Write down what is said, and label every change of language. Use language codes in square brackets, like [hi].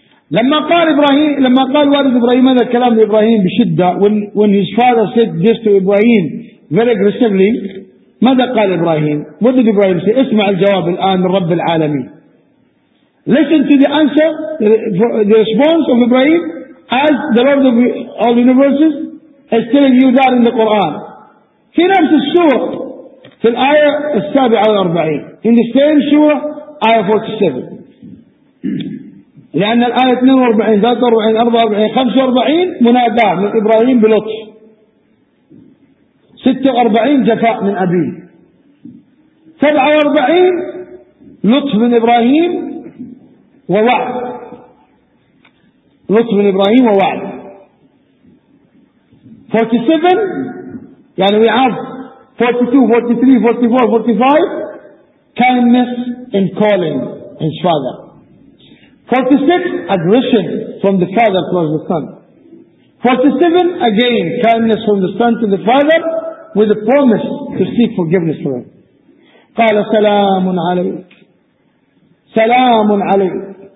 [ar] لما قال والد إبراهيم هذا الكلام لإبراهيم بشدة، [en] when his father said this to Ibrahim very aggressively، [ar] ماذا قال إبراهيم؟ [en] What did Ibrahim say؟ [ar] اسمع الجواب الآن من رب العالمين. [en] Listen to the answer, the response of Ibrahim as the Lord of all universes is telling you that in the Quran. [ar] في نفس السورة في الآية 47، [en] in the same surah [ar] آية 47، لأن الآية 42 43 44 45 مناداة من إبراهيم بلطف، 46 جفاء من أبيه، 47 لطف من إبراهيم ووعد، لطف من إبراهيم ووعد، [en] 47 يعني we have 42 43 44 45 kindness in calling his father. 46, aggression from the father towards the son. 47, again, kindness from the son to the father with a promise to seek forgiveness for him. [ar] قال سلام عليك سلام عليك.